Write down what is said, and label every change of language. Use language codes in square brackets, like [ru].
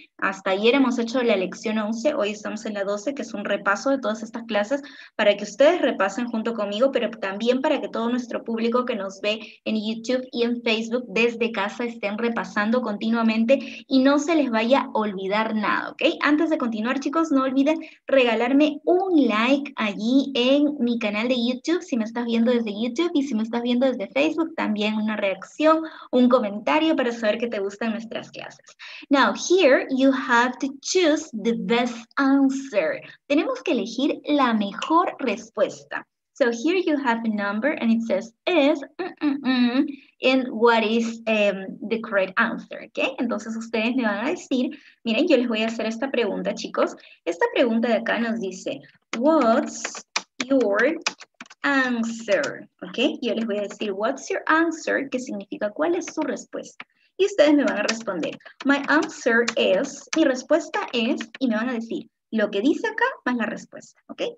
[es] Hasta ayer hemos hecho la lección 11, hoy estamos en la 12, que es un repaso de todas estas clases para que ustedes repasen junto conmigo, pero también para que todo nuestro público que nos ve en YouTube y en Facebook desde casa estén repasando continuamente y no se les vaya a olvidar nada, ¿ok? Antes de continuar, chicos, no olviden regalarme un like allí en mi canal de YouTube, si me estás viendo desde YouTube, y si me estás viendo desde Facebook, también una reacción, un comentario para saber que te gustan nuestras clases. [en] Now, here you have to choose the best answer. [es] Tenemos que elegir la mejor respuesta. [en] So here you have a number and it says is, and what is the correct answer, okay? [es] Entonces ustedes me van a decir, miren, yo les voy a hacer esta pregunta, chicos. Esta pregunta de acá nos dice, [en] what's your answer, okay? [es] Yo les voy a decir, [en] what's your answer, [es] que significa cuál es su respuesta. Y ustedes me van a responder, [en] my answer is, [es] mi respuesta es, y me van a decir, lo que dice acá más la respuesta, okay?